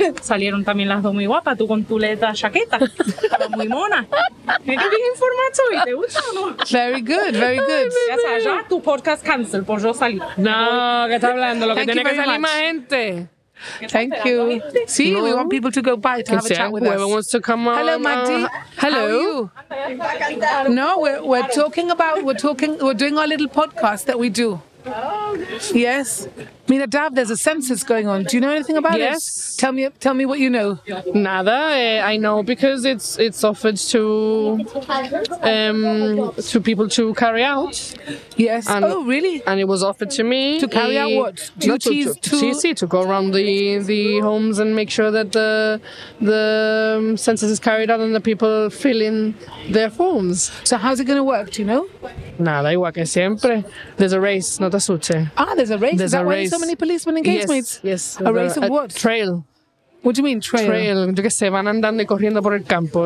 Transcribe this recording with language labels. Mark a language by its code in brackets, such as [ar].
[es] Salieron también las dos muy guapas, tú con tu letra chaqueta. Estaba muy mona. ¿Me quedé en formato y te gusta o no? [en] Very good, very good. [es] Ya sabes, ya tu podcast cancel, pues yo salí. No, ¿qué está hablando? Lo que tiene que salir más gente. [en] Thank you. See, no. We want people to go by to have a chat with us. Whoever wants to come on. Hello, Magdi. Hello. How are you? No, we're talking about we're doing our little podcast that we do. Yes. [es] Mira, [en] Dav, there's a census going on. Do you know anything about yes. it? Tell me what you know. [es] Nada. [en] I know because it's offered to people to carry out. Yes. And, oh, really? And it was offered to me. To carry out what? Duties to go around the homes and make sure that the census is carried out and the people fill in their forms. So how's it going to work? Do you know? [es] Nada, igual que siempre. [en] There's a race, [es] no te asuste. [en] Ah, there's a race? There's a race. So many policemen and casemates? Yes. A race of what? Trail. What do you mean, trail? Trail. [es] Yo que sé, van andando y corriendo por el campo.